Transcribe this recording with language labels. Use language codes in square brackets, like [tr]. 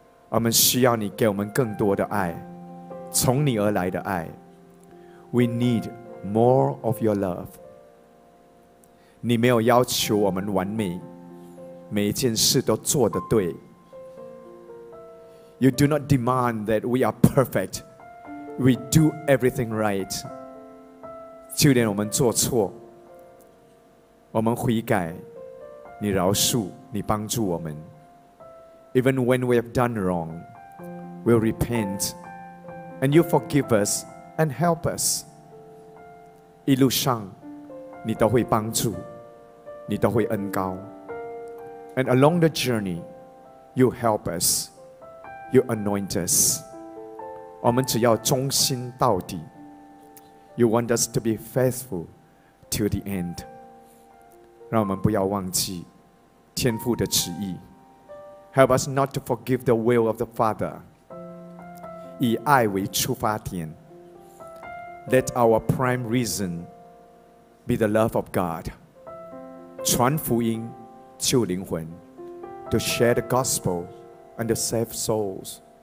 [zh] 我们需要你给我们更多的爱，从你而来的爱。 [en] We needMore of your love. [zh] 你没有要求我们完美，每一件事都做得对。 [en] You do not demand that we are perfect. We do everything right. [zh] 就连我们做错，我们悔改，你饶恕，你帮助我们。 [en] Even when we have done wrong, we'll repent. And you forgive us and help us. [zh] 一路上你都会帮助，你都会恩膏。 [en] And along the journey, you help us. You anoint us. [zh] 我们只要忠心到底。 [en] You want us to be faithful to the end. [zh] 让我们不要忘记天父的旨意。 [en] Help us not to forget the will of the Father. [zh] 以爱为出发点。 [en] Let our prime reason be the love of God. [zh] 传福音救灵魂。 [en] To share the gospel and to save souls.